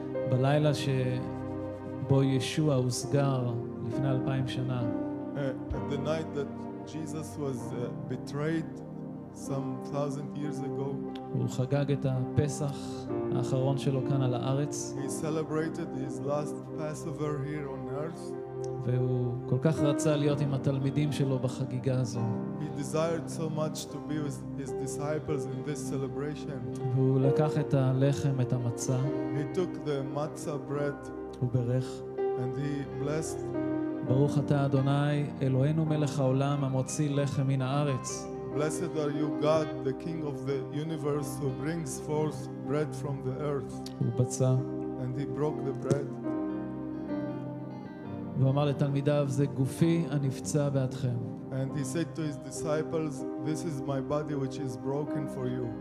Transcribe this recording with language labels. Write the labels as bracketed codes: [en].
[he] בלילה שבו ישוע הוסגר לפני 2000 שנה, [en] the night that Jesus was betrayed some 1000 years ago, [he] הוא חגג את הפסח האחרון שלו כאן על הארץ. [en] He celebrated his last Passover here on earth. [he] והוא כל כך רצה להיות עם התלמידים שלו בחגיגה הזו. [en] He desired so much to be with his disciples in this celebration. [he] והוא לקח את הלחם, את המצה. [en] He took the matzah bread. [he] הוא ברך. [en] And he blessed. [he] ברוך אתה אדוני, אלוהינו מלך העולם, המוציא לחם מן הארץ. [en] Blessed are you, God, the King of the universe, who brings forth bread from the earth. [he] הוא פצה. [en] And he broke the bread. [he] ואמר לתלמידיו, זה גופי הנפצע בעדכם. [en] And he said to his disciples, "This is my body which is broken for you.